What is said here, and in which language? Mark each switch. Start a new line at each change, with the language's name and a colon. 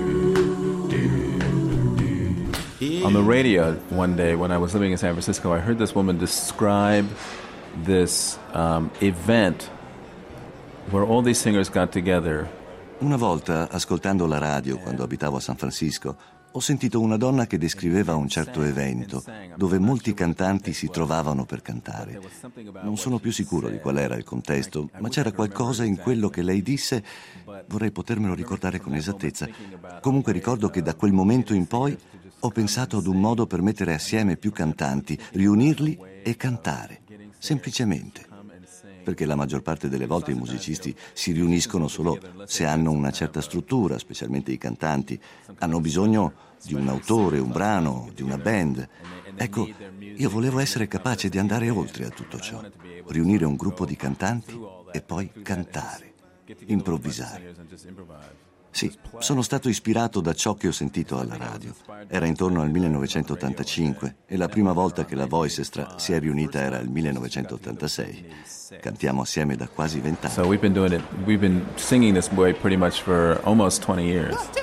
English: On the radio one day when I was living in San Francisco, I heard this woman describe this event where all these singers got together.
Italian: Una volta, ascoltando la radio quando abitavo a San Francisco, ho sentito una donna che descriveva un certo evento dove molti cantanti si trovavano per cantare. Non sono più sicuro di qual era il contesto, ma c'era qualcosa in quello che lei disse, vorrei potermelo ricordare con esattezza. Comunque ricordo che da quel momento in poi ho pensato ad un modo per mettere assieme più cantanti, riunirli e cantare, semplicemente. Perché la maggior parte delle volte i musicisti si riuniscono solo se hanno una certa struttura, specialmente i cantanti. Hanno bisogno di un autore, un brano, di una band. Ecco, io volevo essere capace di andare oltre a tutto ciò. Riunire un gruppo di cantanti e poi cantare, improvvisare. Sì, sono stato ispirato da ciò che ho sentito alla radio. Era intorno al 1985 e la prima volta che la Voice Extra si è riunita era il 1986. Cantiamo assieme da quasi 20 anni.
English: So we've been doing it, we've been singing this way pretty much for almost 20 years.